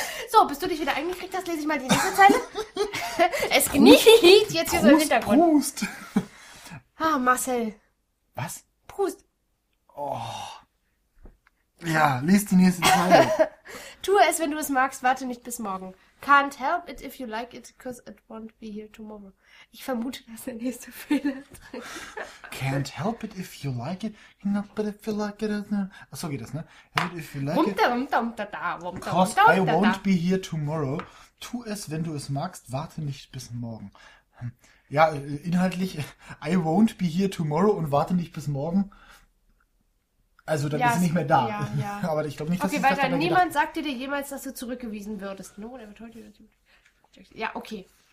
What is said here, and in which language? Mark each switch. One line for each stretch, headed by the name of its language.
German: So, bis du dich wieder eingekriegt hast, lese ich mal die nächste Zeile. Es genießt jetzt hier Prust, so im Hintergrund. Prust. Ah, Marcel. Was? Oh. Ja, lest die nächste Zeile. Tue es, wenn du es magst, warte nicht bis morgen.
English: Can't help it if you like it, because it won't be here tomorrow.
German: Ich vermute, dass der nächste Fehler drin.
English: Can't help it if you like it, not but if you like it.
German: Ach, so geht das, ne?
English: Help it if you like it. Because I won't be here tomorrow.
German: Tu es, wenn du es magst, warte nicht bis morgen. Ja, inhaltlich,
English: I won't be here tomorrow
German: und warte nicht bis morgen. Also, dann ja, ist sie nicht mehr da. Ja, ja. Aber ich glaube nicht, dass okay, ich das dabei niemand sagte dir jemals, dass du zurückgewiesen würdest. No, ja, okay.